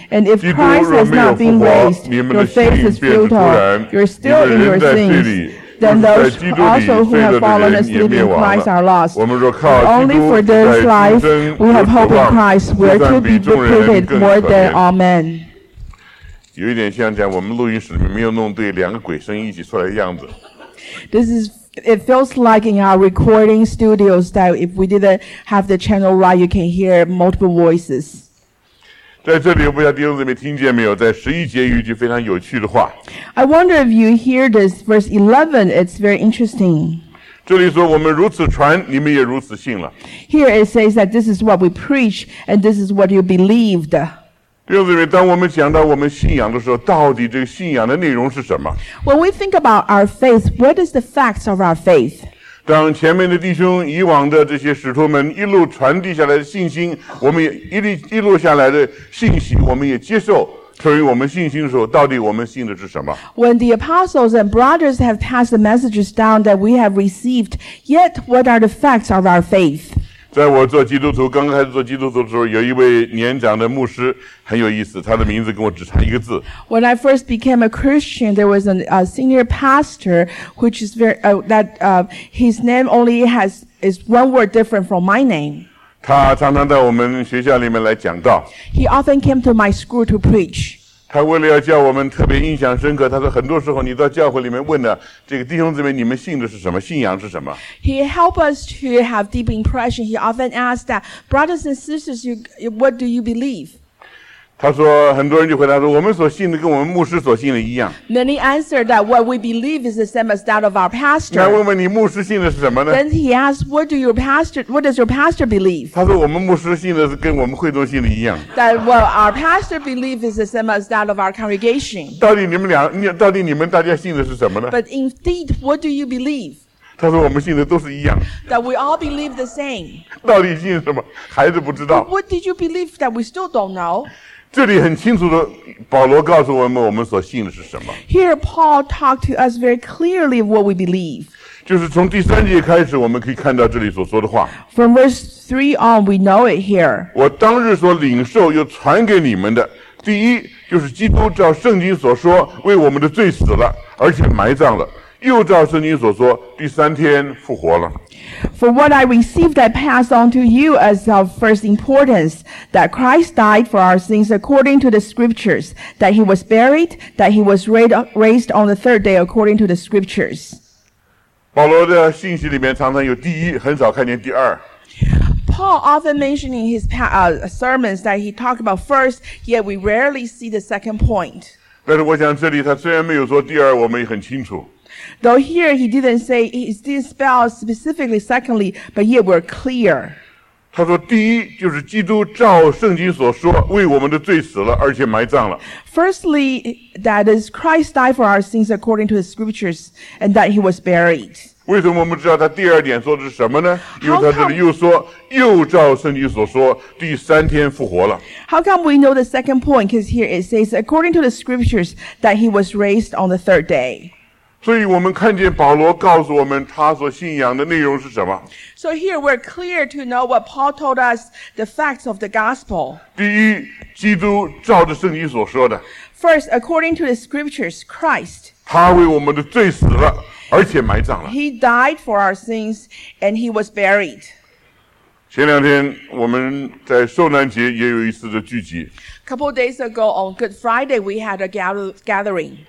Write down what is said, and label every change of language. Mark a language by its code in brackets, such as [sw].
[en] And if Christ has not been raised, your faith is futile. You're still in your sins. Then those also who have fallen asleep in Christ are lost. Only for those lives we have hope in Christ, we are to be depleted more than all men. [zh] 有一点像讲我们录音室里面没有弄对，两个鬼声音一起出来的样子。 [en] This is it feels like in our recording studios that if we didn't have the channel right, you can hear multiple voices. [zh] 在这里，我不知道弟兄姊妹听见没有，在十一节有一句非常有趣的话。 [en] I wonder if you hear this verse 11. It's very interesting. [zh] 这里说我们如此传，你们也如此信了。 [en] Here it says that this is what we preach, and this is what you believed. [zh] 弟兄姊妹，当我们讲到我们信仰的时候，到底这个信仰的内容是什么？ [en] When we think about our faith, what is the facts of our faith? [zh] 当前面的弟兄以往的这些使徒们一路传递下来的信心，我们也一路下来的信息，我们也接受。 [en] When the apostles and brothers have passed the messages down that we have received, yet what are the facts of our faith? [zh] 在我做基督徒刚开始做基督徒的时候，有一位年长的牧师很有意思，他的名字跟我只差一个字。 [en] When I first became a Christian, there was a senior pastor, which is very, his name only is one word different from my name. [zh] 他常常在我们学校里面来讲道。 [en] He often came to my school to preach. [zh] 他为了要叫我们特别印象深刻，他说很多时候你到教会里面问的这个弟兄姊妹，你们信的是什么？信仰是什么 [en] ？He helped us to have deep impression. He often asked that, brothers and sisters, what do you believe? [zh] 他说很多人就回答说我们所信的跟我们牧师所信的一样。 [en] Many answered that what we believe is the same as that of our pastor. [zh] 那问问你牧师信的是什么呢 [en] ？Then he asked, what does your pastor believe? [zh] 他说我们牧师信的是跟我们会众信的一样。 [en] That what our pastor believe is the same as that of our congregation. [zh] 到底你们大家信的是什么呢 [en] ？But indeed, what do you believe? [zh] 他说我们信的都是一样。 [en] That we all believe the same. [zh] 到底信什么？孩子不知道。 [en] But what did you believe that we still don't know? [zh] 这里很清楚的，保罗告诉我们我们所信的是什么。 [en] Here Paul talked to us very clearly what we believe. [zh] 就是从第三节开始，我们可以看到这里所说的话。 [en] From verse 3 on, we know it here. [zh] 我当日所领受又传给你们的，第一就是基督照圣经所说为我们的罪死了，而且埋葬了。又照圣经所说，第三天复活了。 [en] For what I received, I pass on to you as of first importance, that Christ died for our sins according to the scriptures, that he was buried, that he was raised on the third day according to the scriptures. [zh] 保罗的信息里面常常有第一，很少看见第二。 [en] Paul often mentioning his sermons that he talked about first, yet we rarely see the second point. [zh] 但是我想这里他虽然没有说第二，我们也很清楚。 [en] Though here he didn't say, he didn't spell specifically secondly, but yet we're clear. [zh] 他说第一就是基督照圣经所说为我们的罪死了而且埋葬了。 [en] Firstly, that is Christ died for our sins according to the scriptures and that he was buried. [zh] 为什么我们知道他第二点说的是什么呢？因为他这里又说，又照圣经所说，第三天复活了。 [en] How come we know the second point? Because here it says, according to the scriptures, that he was raised on the third day. [zh] 所以我们看见保罗告诉我们他所信仰的内容是什么。 [en] So here we're clear to know what Paul told us, the facts of the gospel. [zh] 第一，基督照着圣经所说的。 [en] First, according to the scriptures, Christ. [zh] 他为我们的罪死了。而且埋葬了。 [en] He died for our sins and he was buried. [zh] 前两天我们在受难节也有一次的聚集。 [en] Couple days ago on Good Friday we had a gathering.